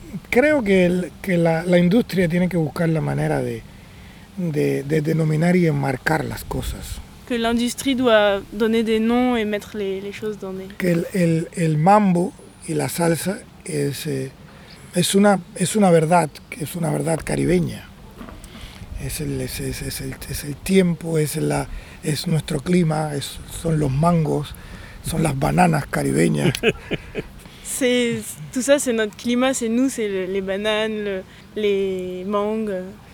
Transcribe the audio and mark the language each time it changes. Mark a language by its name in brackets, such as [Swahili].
[Spanish] Creo que la industria tiene que buscar la manera de denominar y enmarcar las cosas. Que la industria [French] doit donner des noms et mettre les choses dans des... [Spanish] Que el mambo y la salsa es una verdad caribeña. Es el tiempo, es nuestro clima, son los mangos, son las bananas caribeñas. [French] Tout ça, c'est notre climat, c'est nous, c'est les bananes, les mangues.